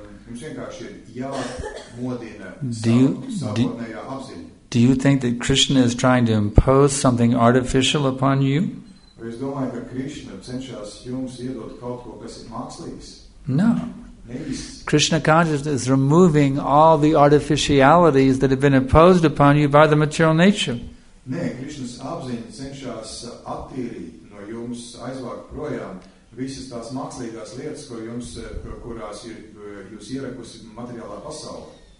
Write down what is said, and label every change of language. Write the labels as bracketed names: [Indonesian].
[Latvian] Jums vienkārši ir jāmodina sākotnējā apziņa. [English] Do you think that Krishna is trying to impose something artificial upon you? [Latvian] Es domāju, ka Krishna cenšas jums iedot kaut ko, kas ir mākslīgs. [English] No. Krishna consciousness is removing all the artificialities that have been imposed upon you by the material nature. [Latvian] Nē, Krishnas apziņa cenšas attīrīt no jums, aizvākt projām visas tās mākslīgās lietas, ko jums, kurās jūs ierakusi materiālā pasaulē.